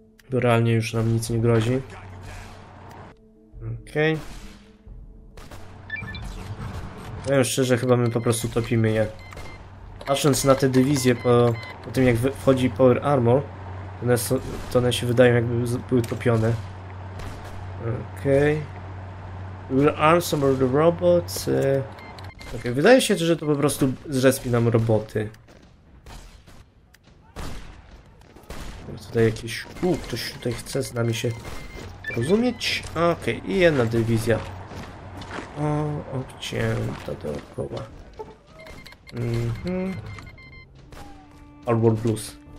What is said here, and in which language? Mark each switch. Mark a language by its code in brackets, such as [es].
[pl] bo realnie już nam nic nie grozi. Okej. Okay. Powiem szczerze, chyba my po prostu topimy je. Patrząc na te dywizje po tym, jak wchodzi Power Armor, to one się wydają, jakby były topione. Okej. Okay. [en] We'll arm some of the robots. Okay. [pl] Wydaje się, że to po prostu zrespi nam roboty. Tutaj jakieś... ktoś tutaj chce z nami się rozumieć. Okej, okay. I jedna dywizja. O, obcięta dookoła. Mhm. All World Blues.